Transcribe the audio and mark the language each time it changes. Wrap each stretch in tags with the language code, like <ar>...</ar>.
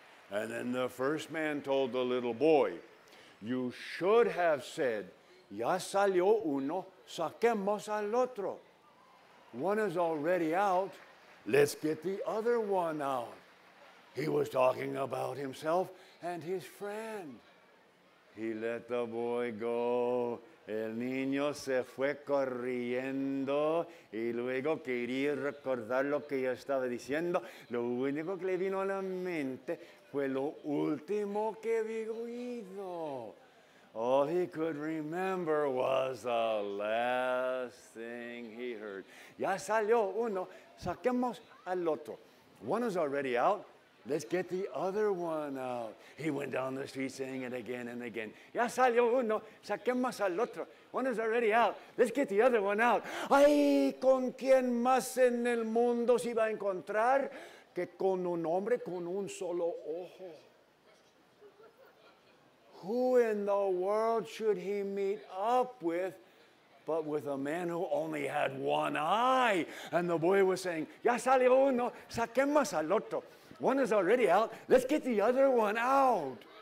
<en>And then the first man told the little boy, You should have said,</en> <es>Ya salió uno, saquemos al otro.</es> <en>One is already out, let's get the other one out. He was talking about himself and his friend. He let the boy go.</en> <es>El niño se fue corriendo y luego quería recordar lo que ya estaba diciendo. Lo único que le vino a la mente fue lo último que había oído.</es> <en>All he could remember was the last thing he heard.</en> <es>Ya salió uno, saquemos al otro.</es> <en>One is already out. Let's get the other one out. He went down the street saying it again and again.</en> <es>Ya salió uno, saquemos al otro.</es> <en>One is already out. Let's get the other one out.</en> <es>Ay, ¿con quién más en el mundo se iba a encontrar que con un hombre con un solo ojo?</es> <en>Who in the world should he meet up with but with a man who only had one eye? And the boy was saying,</en> <es>Ya salió uno, saquemos al otro.</es> <en>One is already out. Let's get the other one out.</en>